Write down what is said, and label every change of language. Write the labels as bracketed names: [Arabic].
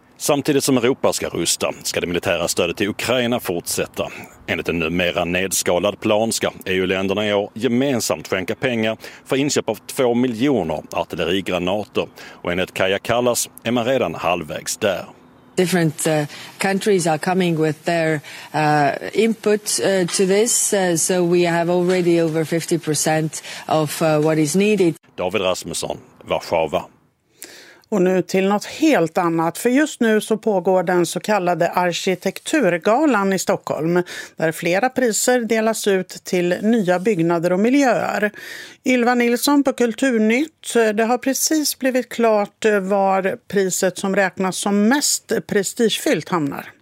[Swedish] Samtidigt som Europa ska rusta ska det militära stödet till Ukraina fortsätta. Enligt en numera nedskalad plan ska EU-länderna i år gemensamt skänka pengar för inköp av 2 miljoner artillerigranater. Och enligt Kaja Kallas är man redan halvvägs där. [English] Different countries are coming with their input to this, so we have already over 50% of what is needed. [Swedish] David Rasmusson, Warszawa. Och nu till något helt annat, för just nu så pågår den så kallade arkitekturgalan i Stockholm där flera priser delas ut till nya byggnader och miljöer. Ylva Nilsson på Kulturnytt, det har precis blivit klart var priset som räknas som mest prestigefyllt hamnar.